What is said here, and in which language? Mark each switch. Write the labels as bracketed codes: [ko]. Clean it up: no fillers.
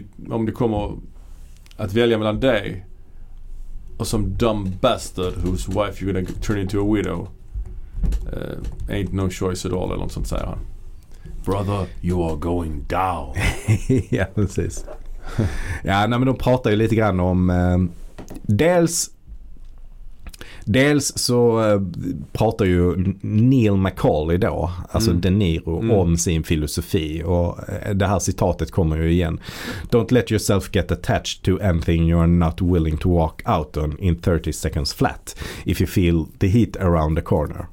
[sv] Om det kommer att välja mellan dig och som [en] dumb bastard whose wife you're gonna turn into a widow, ain't no choice at all, [sv] eller något sånt säger han. [en] Brother, you are going down. [sv] Ja, precis. Ja, nej, men de pratar ju lite grann om dels så pratar ju Neil McCauley då, alltså De Niro, om sin filosofi, och det här citatet kommer ju igen. [en] Don't let yourself get attached to anything you're not willing to walk out on in 30 seconds flat if you feel the heat around the corner.